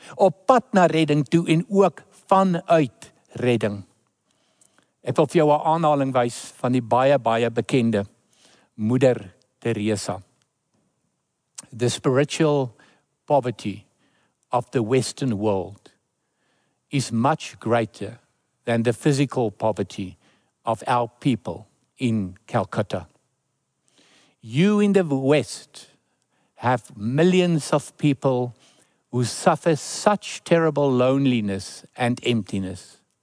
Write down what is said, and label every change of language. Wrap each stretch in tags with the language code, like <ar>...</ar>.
<af>Op pad na redding toe en ook vanuit redding. Ek wil vir jou 'n aanhaling wys van die baie, baie bekende Moeder Teresa.</af> <en>The spiritual poverty of the Western world is much greater than the physical poverty of our people in Calcutta. You in the West have millions of people who suffer such terrible loneliness and emptiness.</en>